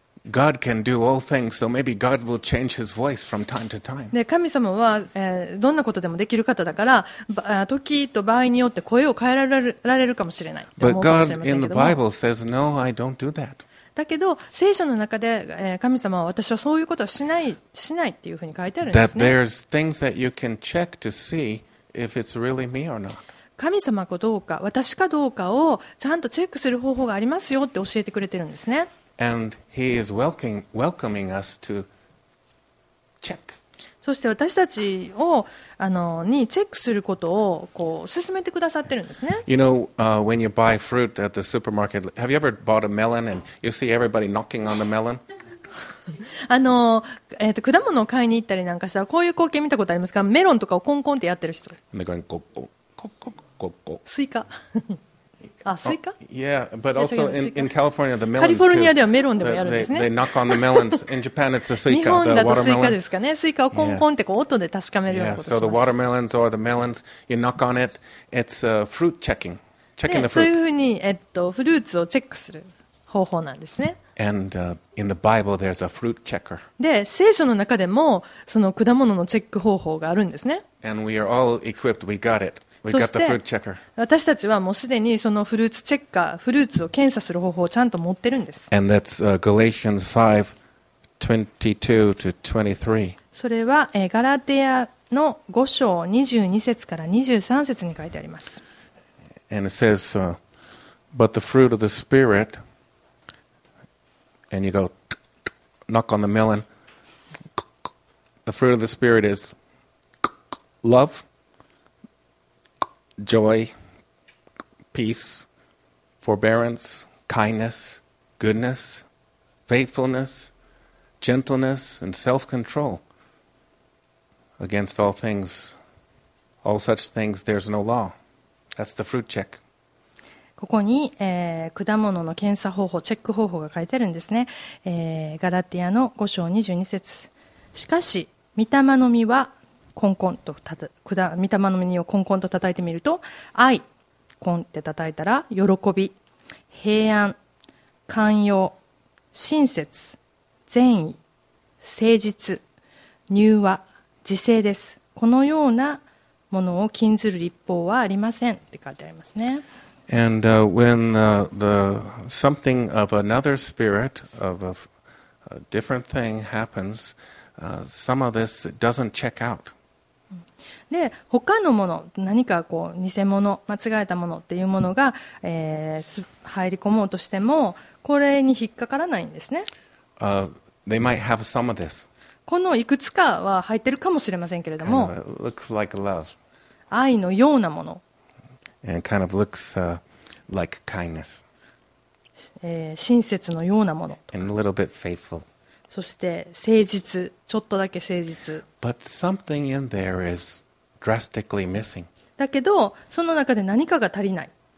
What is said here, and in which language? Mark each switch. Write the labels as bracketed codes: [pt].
[en] God can do all things, so maybe God will change his voice from time to time. [ja] で、神様は、どんなことでもできる方だから、時と場合によって声を変えられるかもしれない。 [en] But God in the Bible says, no, I don't do that. [ja] だけど、聖書の中で、神様は私はそういうことはしないっていうふうに書いてあるんですね。 [en] That there's things that you can check to see if it's really me or not. [ja] 神様かどうか、私かどうかをちゃんとチェックする方法がありますよって教えてくれてるんですね。 [en] And he is welcoming us to check. [ja] そして私たちをにチェックすることをこう進めてくださってるんですね。 [en] You know, when you buy fruit at the supermarket, have you ever bought a melon and you see everybody knocking on the melon? [ja] 果物を買いに行ったりなんかしたらこういう光景見たことありますか？メロンとかをコンコンってやってる人。 [en] And they're going, "Cock, cock, cock, cock, cock, cock." [ja] スイカ。あ、スイカ？ [en] Yeah, but also in California, the [ja] melons. カリフォルニアではメロンでもやるんですね。 [en] They knock on the melons. In Japan, it's the スイカ、 [ja] 日本だとスイカですかね。スイカをコンコンってこう音で確かめるようなことします。 [en] Yeah, so the watermelons or the melons, you knock on it. It's fruit checking. Checking the fruit. [ja] そういうふうに、フルーツをチェックする方法なんですね。 [en] And in the Bible, there's a fruit checker. [ja] で、聖書の中でもその果物のチェック方法があるんですね。 [en] And we are all equipped. We got it. [ja] そして私たちはもうすでにそのフルーツチェッカー、フルーツを検査する方法をちゃんと持ってるんです。 [en] And that's Galatians 5:22 to 23. [ja] それはガラテヤの5章22節から23節に書いてあります。 [en] And it says, but the fruit of the Spirit, and you go knock on the melon, the fruit of the Spirit is love. Joy, peace, forbearance, kindness, goodness, faithfulness, gentleness, and self-control. Against all such things, there's no law. That's the fruit check. [ja] ここに、果物の検査方法、チェック方法が書いてあるんですね。ガラティアの5章22節。しかし、御霊の実はコンコンと御霊の実をコンコンと叩いてみると愛コンって叩いたら喜び平安寛容親切善意誠実柔和自制です。このようなものを禁ずる律法はありませんって書いてありますね。 [en] And when the something of another spirit of a different thing happens, some of this doesn't check out. [ja] で他のもの何かこう偽物間違えたものっていうものが、入り込もうとしてもこれに引っかからないんですね。 [en] They might have some of this. [ja] このいくつかは入ってるかもしれませんけれども [en] kind of looks like love. [ja] 愛のようなもの [en] And kind of looks, like kindness. [ja] 親切のようなもの [en] とか And a little bit faithful. [ja] そして誠実ちょっとだけ誠実 [en] But something in there isDrastically missing. [ja] だけどその中で何かが足りない。